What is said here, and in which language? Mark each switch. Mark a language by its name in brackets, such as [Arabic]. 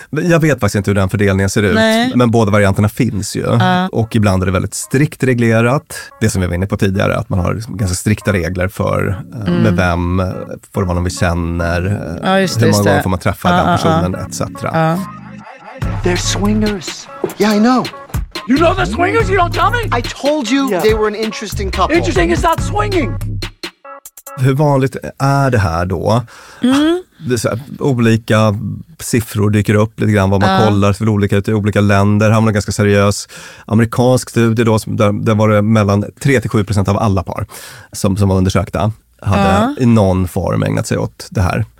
[Swedish] Jag vet faktiskt inte hur den fördelningen ser ut. Nej. Men båda varianterna finns ju. Och ibland är det väldigt strikt reglerat. Det som vi var inne på tidigare, att man har ganska strikta regler för med vem, för vad vi känner, hur många gånger får man träffa den personen, etc. [English] They're swingers. Yeah, I know. You know the swingers, you don't tell me? I told you they were an interesting couple. Interesting is not swinging. [Swedish] Hur vanligt är det här då? Det är så här, olika siffror dyker upp lite grann, vad man kollar för olika ut i olika länder. Här har man en ganska seriös amerikansk studie då, där var det mellan 3-7% av alla par som var undersökta hade i någon form ägnat sig åt det här.